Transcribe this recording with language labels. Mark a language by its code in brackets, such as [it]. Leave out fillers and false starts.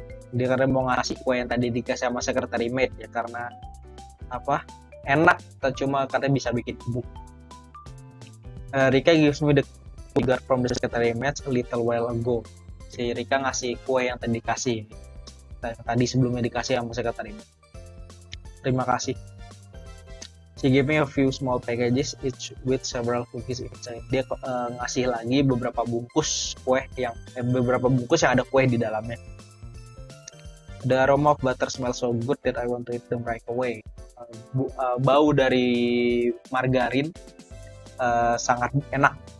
[id] Dia karena mau ngasih kue yang tadi dikasih sama secretary maid ya, karena apa enak atau cuma katanya bisa bikin gemuk. [en] Rika gives me the cigar from the secretary maid a little while ago. [id] Si Rika ngasih kue yang tadi dikasih tadi sebelumnya dikasih sama secretary maid. Terima kasih. [en] She gave me a few small packages each with several cookies inside. [id] Dia ngasih lagi beberapa bungkus kue yang beberapa bungkus yang ada kue di dalamnya. [en] The aroma of butter smells so good that I want to eat them right away. [id] Bau dari margarin sangat enak.